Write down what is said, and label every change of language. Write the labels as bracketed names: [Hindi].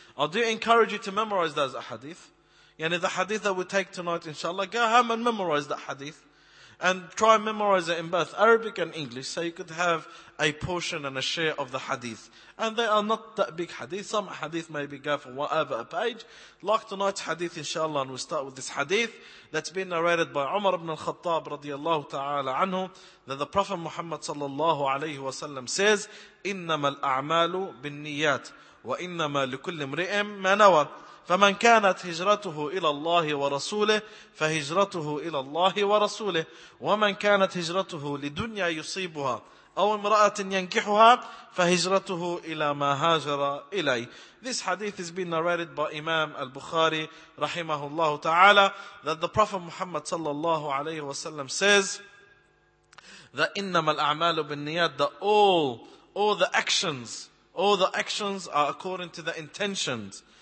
[English] I do encourage you to memorize those Hadith. Yani the Hadith that we take tonight, inshallah, go home and memorize that Hadith. And try and memorize it in both Arabic and English, so you could have a portion and a share of the Hadith. And they are not that big Hadith. Some Hadith maybe go for over a page. [Arabic] Like tonight's Hadith, inshallah, and we'll start with this Hadith that's been narrated by Umar ibn al-Khattab, radiyallahu ta'ala anhu, that the Prophet Muhammad sallallahu alayhi wa sallam says, إِنَّمَا الْأَعْمَالُ بِالنِّيَّاتِ وَإِنَّمَا لِكُلِّ امْرِئٍ مَا نَوَى فَمَنْ كَانَتْ هِجْرَتُهُ إِلَى اللَّهِ وَرَسُولِهِ فَهِجْرَتُهُ إِلَى اللَّهِ وَرَسُولِهِ وَمَنْ كَانَتْ هِجْرَتُهُ لِدُنْيَا يُصِيبُهَا أَوْ امْرَأَةٍ يَنْكِحُهَا فَهِجْرَتُهُ إِلَى مَا هَاجَرَ إِلَيْهِ. [English] This hadith has been narrated by Imam al-Bukhari, rahimahullahu ta'ala, that the Prophet Muhammad sallallahu alayhi wa sallam says that إِنَّمَا الْأَعْمَالُ بِالنِّيَاتِ, that all the actions are according to the intentions.